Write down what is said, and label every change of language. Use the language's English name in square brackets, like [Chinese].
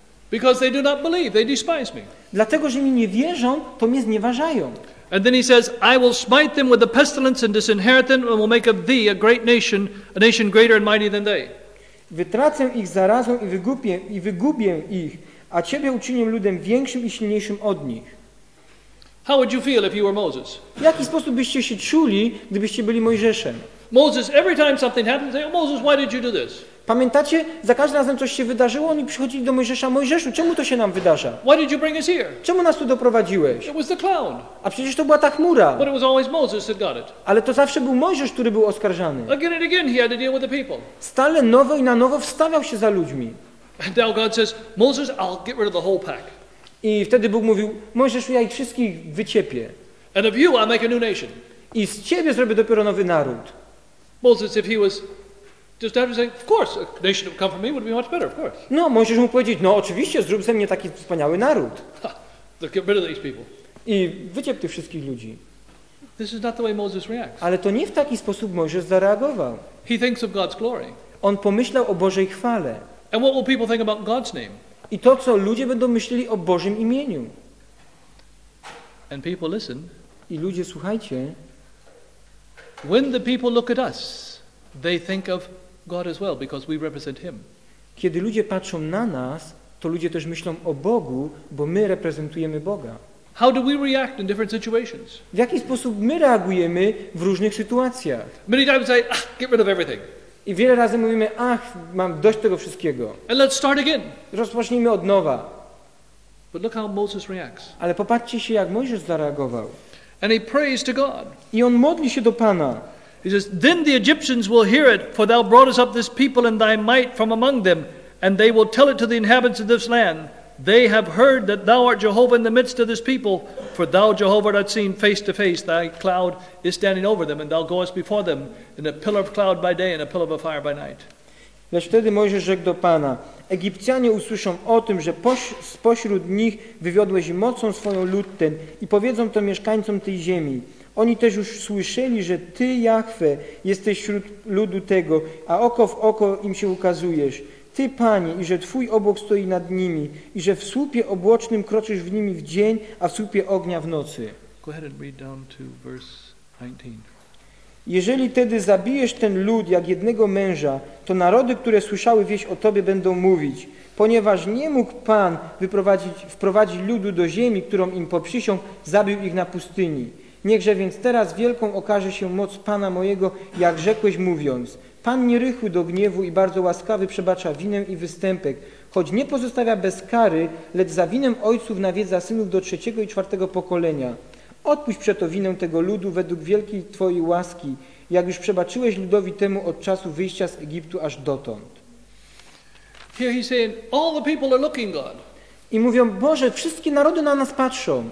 [English] Because they do not believe, they despise me. [Polish] Dlatego, że mi nie wierzą, to mnie znieważają. [English] And then he says, I will smite them with the pestilence and disinherit them, and will make of thee a great nation, a nation greater and mighty than they. [Polish] Wytracę ich zarazą i wygubię ich, a ciebie uczynię ludem większym i silniejszym od nich. [English] How would you feel if you were Moses? [Polish] W jaki sposób byście się czuli, gdybyście byli Mojżeszem? [English] Moses, every time something happens, say, oh, Moses, why did you do this? [Polish] Pamiętacie, za każdym razem coś się wydarzyło, oni przychodzili do Mojżesza. Mojżeszu, czemu to się nam wydarza? [English] Why did you bring us here? [Polish] Czemu nas tu doprowadziłeś? [English] It was the cloud. [Polish] A przecież to była ta chmura. [English] But it was always Moses that got it. [Polish] Ale to zawsze był Mojżesz, który był oskarżany. [English] Again and again he had to deal with the people. [Polish] Stale nowo i na nowo wstawiał się za ludźmi. [English] And now God says, Moses, I'll get rid of the whole pack. [Polish] I wtedy Bóg mówił, Mojżeszu, ja ich wszystkich wyciepię. [English] And of you I'll make a new nation. [Polish] I z ciebie zrobię dopiero nowy naród. [English] Moses, if he was Just have to say, of course, a nation that would come from me would be much better, of course. [Polish] No, możesz mu powiedzieć, no oczywiście, zrób ze mnie taki wspaniały naród. [English] Ha, get rid of these people. [Polish] I wyciep tych wszystkich ludzi. [English] This is not the way Moses reacts. [Polish] Ale to nie w taki sposób Mojżesz zareagował. [English] He thinks of God's glory. [Polish] On pomyślał o Bożej chwale. [English] And what will people think about God's name? [Polish] I to, co ludzie będą myśleli o Bożym imieniu. [English] And people listen. [Polish] I ludzie, słuchajcie. [English] When the people look at us, they think of God as well, because we represent Him. [Polish] Kiedy ludzie patrzą na nas, to ludzie też myślą o Bogu, bo my reprezentujemy Boga. [English] How do we react in different situations? [Polish] W jaki sposób my reagujemy w różnych sytuacjach? [English] Many times say, ah, get rid of everything. [Polish] I wiele razy mówimy, ach, mam dość tego wszystkiego. [English] And let's start again. [Polish] Rozpocznijmy od nowa. [English] But look how Moses reacts. [Polish] Ale popatrzcie się, jak Mojżesz zareagował. [English] And he prays to God. [Polish] I on modli się do Pana. [English] He says, then the Egyptians will hear it, for thou broughtest up this people in thy might from among them, and they will tell it to the inhabitants of this land. They have heard that thou art Jehovah in the midst of this people, for thou, Jehovah, art seen face to face. Thy cloud is standing over them, and thou goest before them in a pillar of cloud by day and a pillar of fire by night. [Polish] Lecz wtedy Mojżesz rzekł do Pana, Egipcjanie usłyszą o tym, że spośród nich wywiodłeś mocą swoją lud ten i powiedzą to mieszkańcom tej ziemi. Oni też już słyszeli, że Ty, Jahwe, jesteś wśród ludu tego, a oko w oko im się ukazujesz. Ty, Panie, i że Twój obłok stoi nad nimi, i że w słupie obłocznym kroczysz w nimi w dzień, a w słupie ognia w nocy. [English] Go ahead and read down to verse 19. [Polish] Jeżeli tedy zabijesz ten lud jak jednego męża, to narody, które słyszały wieść o Tobie, będą mówić, ponieważ nie mógł Pan wprowadzić ludu do ziemi, którą im poprzysiągł, zabił ich na pustyni. Niechże więc teraz wielką okaże się moc Pana mojego, jak rzekłeś mówiąc. Pan nierychły do gniewu i bardzo łaskawy przebacza winę i występek, choć nie pozostawia bez kary, lecz za winem ojców nawiedza synów do trzeciego i czwartego pokolenia. Odpuść przeto winę tego ludu według wielkiej Twojej łaski, jak już przebaczyłeś ludowi temu od czasu wyjścia z Egiptu aż dotąd. [English] Here he's saying, all the people are looking God. [Polish] I mówią, Boże, wszystkie narody na nas patrzą.